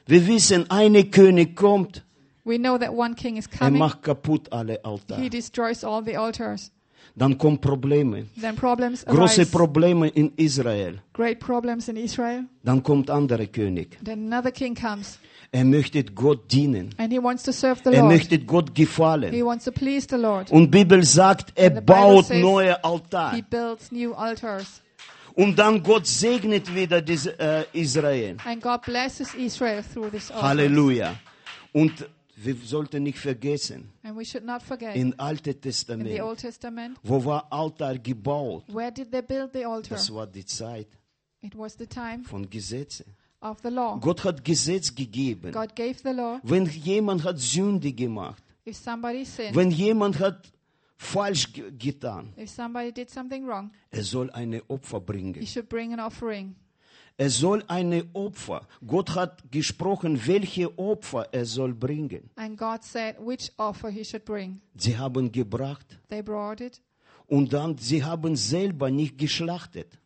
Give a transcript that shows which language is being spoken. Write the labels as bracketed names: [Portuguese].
[German] wir wissen, ein König kommt, [English] we know that one king is coming, [German] er macht kaputt alle Altar. [English] He destroys all the altars. [German] Dann kommen Probleme. [English] Then problems arise. [German] Große Probleme in Israel. [English] Great problems in Israel. [German] Dann kommt anderer König. [English] Then another king comes. [German] Er möchte Gott dienen. [English] And he wants to serve the [German] er [English] Lord. [German] Möchte Gott gefallen. [English] He wants to please the Lord. [German] Und die Bibel sagt, er baut neue Altar. [English] He builds new altars. [German] Und dann Gott segnet wieder Israel. [English] And God blesses Israel through this altar. [German] Halleluja. Und wir sollten nicht vergessen, [English] and we should not forget, [German] in Alte Testament, [English] in the Old Testament, [German] wo war Altar gebaut? [English] Where did they build the altar? [German] Das war die Zeit, [English] it was the time, [German] von Gesetzen. [English] Of the law. [German] Gott hat Gesetz gegeben. [English] God gave the law. [German] Wenn jemand hat Sünde gemacht, [English] if somebody sinned, [German] wenn jemand hat falsch getan, [English] if somebody did something wrong, [German] er soll eine Opfer bringen. [English] He should bring an offering. [German] Er soll eine Opfer. Gott hat gesprochen, welche Opfer er soll bringen. [English] And God said which offer he should bring. [German] Sie haben gebracht. [English] They brought it. [German] Und dann sie haben selber nicht geschlachtet.